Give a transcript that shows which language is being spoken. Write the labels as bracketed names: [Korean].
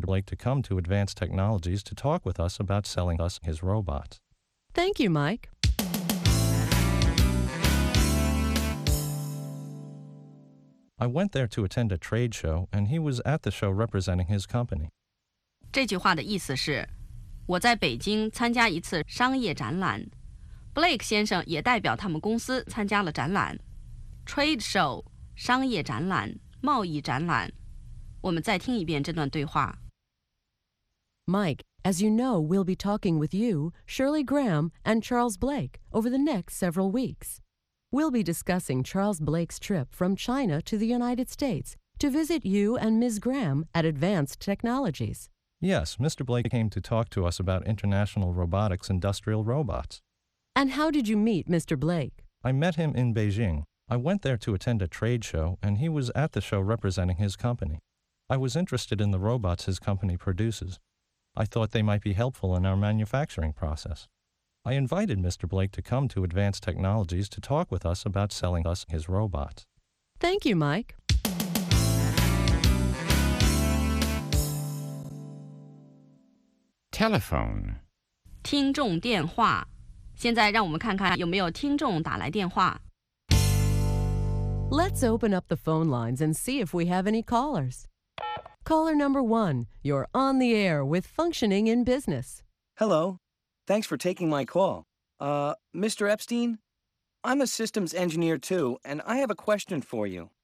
[English] Blake to come to Advanced Technologies to talk with us about selling us his robots. Thank you, Mike. I went there to attend a trade show, and he was at the show representing his company. [Chinese] 这句话的意思是，我在北京参加一次商业展览。 Blake 先生也代表他们公司参加了展览。Trade show, 商业展览，贸易展览。我们再听一遍这段对话。 [English] Mike, as you know, we'll be talking with you, Shirley Graham, and Charles Blake over the next several weeks. We'll be discussing Charles Blake's trip from China to the United States to visit you and Ms. Graham at Advanced Technologies. Yes, Mr. Blake came to talk to us about international robotics industrial robots. And how did you meet Mr. Blake? I met him in Beijing. I went there to attend a trade show, and he was at the show representing his company. I was interested in the robots his company produces. I thought they might be helpful in our manufacturing process. I invited Mr. Blake to come to Advanced Technologies to talk with us about selling us his robots. Thank you, Mike. Telephone. [Chinese] 听众电话。现在让我们看看有没有听众打来电话。 [English] Let's open up the phone lines and see if we have any callers. Caller number one, you're on the air with Functioning in Business. Hello. Thanks for taking my call. Mr. Epstein? I'm a systems engineer too, and I have a question for you.